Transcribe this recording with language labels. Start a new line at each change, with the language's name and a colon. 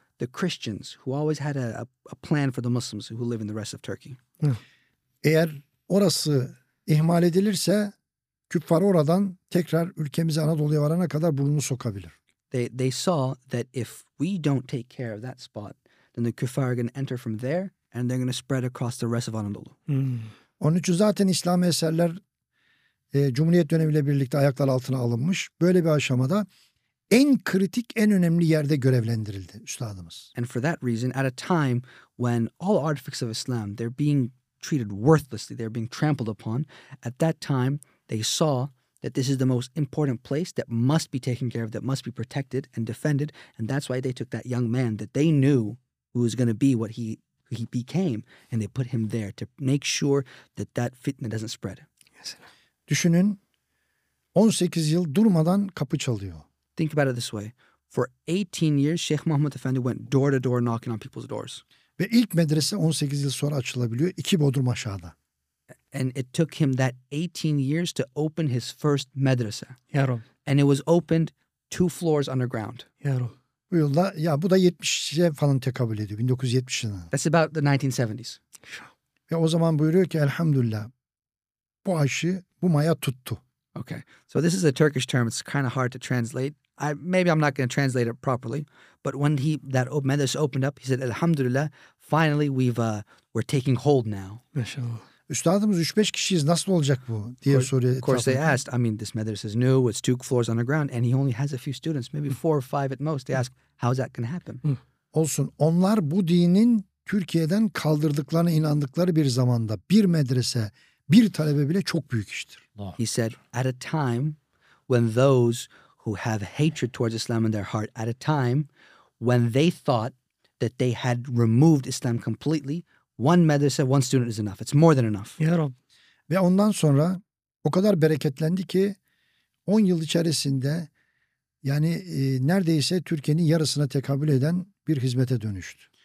English: the Christians who always had a plan for the Muslims who live in the rest of Turkey.
Turkish: Eğer orası ihmal edilirse küffar oradan tekrar ülkemize Anadolu'ya varana kadar burnunu sokabilir.
English: They saw that if we don't take care of that spot, then the küffar are going to enter from there and they're going to spread across the rest of Anadolu.
Turkish: Onun için zaten İslami eserler Cumhuriyet dönemiyle birlikte ayaklar altına alınmış. Böyle bir aşamada en kritik, en önemli yerde görevlendirildi üstadımız.
English: And for that reason, at a time when all artifacts of Islam, they're being treated worthlessly, they're being trampled upon, at that time they saw that this is the most important place that must be taken care of, that must be protected and defended, and that's why they took that young man that they knew who was going to be what he became, and they put him there to make sure that that fitna doesn't spread.
Turkish: Yes. Düşünün, 18 yıl durmadan kapı çalıyor.
English: Think about it this way. For 18 years, Sheikh Mahmud Efendi went door to door knocking on people's doors.
Turkish: Ve ilk medrese 18 yıl sonra açılabiliyor. İki bodrum aşağıda.
English: And it took him that 18 years to open his first medrese.
Turkish: Ya Rab.
English: And it was opened two floors underground.
Turkish: Ya Rab. Bu yılda, ya bu da 70'e falan tekabül ediyor. 1970 yılına.
English: That's about the 1970s.
Turkish: Ve o zaman buyuruyor ki, elhamdülillah, bu aşı, bu maya tuttu.
English: Okay, so this is a Turkish term. It's kind of hard to translate. Maybe I'm not going to translate it properly. But when medrese opened up, he said, "Elhamdulillah, finally we're taking hold now."
Turkish: Maşallah. Üstadımız 3-5 kişiyiz. Nasıl olacak bu diye soruyor.
English: Of course, they asked. I mean, this medrese is new. It's two floors underground, and he only has a few students, maybe four or five at most. They ask, "How's that going to happen?"
Turkish: Olsun. Onlar bu dinin Türkiye'den kaldırdıklarına inandıkları bir zamanda bir medrese, bir talebe bile çok büyük iştir.
English: He said, at a time when those who have hatred towards Islam in their heart, at a time when they thought that they had removed Islam completely, one medrese, one student is enough. It's more than enough.
Turkish: Ya Rab. Ve ondan sonra o kadar bereketlendi ki 10 yıl içerisinde yani neredeyse Türkiye'nin yarısına tekabül eden bir hizmete dönüştü.